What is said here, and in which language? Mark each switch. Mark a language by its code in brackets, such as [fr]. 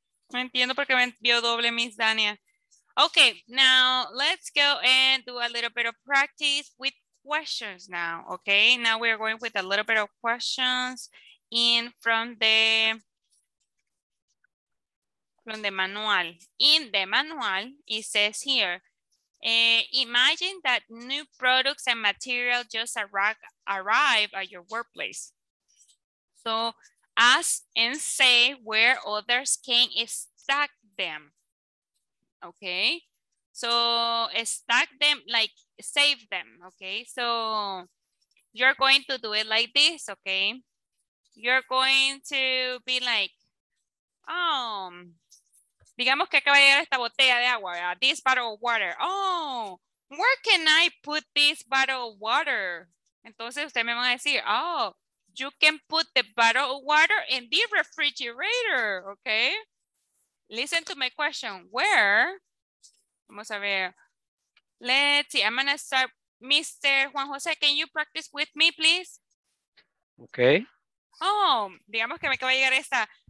[es] No entiendo por qué me envió doble, Miss Dania. [en] Okay, now let's go and do a little bit of practice with questions now, okay? Now we're going with a little bit of questions in from the manual. In the manual, it says here, imagine that new products and material just arrive at your workplace. So ask and say where others can stack them. Okay, so stack them, like save them. Okay, so you're going to do it like this. [es] Okay, [en] you're going to be like, [es] digamos que acaba de llegar esta botella de agua, ¿verdad? [en] This bottle of water. Oh, where can I put this bottle of water? [es] Entonces usted me va a decir, [en] oh, you can put the bottle of water in the refrigerator, okay? Listen to my question, where? [es] Vamos a ver. [en] Let's see, I'm gonna start. Mr. Juan Jose, can you practice with me, please? Okay. [es] Oh, digamos que me acaba de llegar esta.